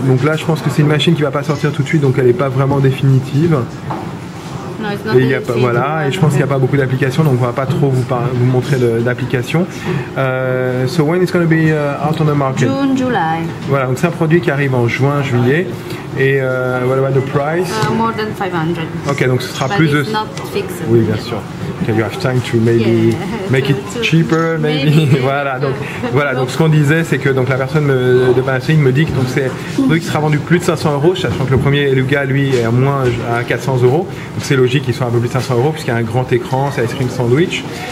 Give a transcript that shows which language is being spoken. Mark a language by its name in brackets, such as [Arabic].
[French] Donc là je pense que c'est une machine qui va pas sortir tout de suite, donc elle n'est pas vraiment définitive. Et je pense qu'il n'y a pas beaucoup d'applications, donc on ne va pas trop vous montrer d'applications. [English] So when is going to be out on the market? June, July. [French] Voilà, donc c'est un produit qui arrive en juin, juillet. [English] Et what about the price? More than 500. [French] Ok, donc ce sera [English] but [French] plus [English] it's [French] de. [English] Not fixed. [French] Oui, bien sûr. [English] Okay, you have time to maybe make it cheaper, maybe. [French] Voilà, donc voilà. Donc ce qu'on disait, c'est que donc la personne de Panasonic me dit que donc c'est un truc qui sera vendu plus de 500 euros, sachant que le premier Eluga lui est à moins à 400 euros. Donc c'est logique qu'il soit un peu plus de 500 euros puisqu'il y a un grand écran, c'est ice cream sandwich.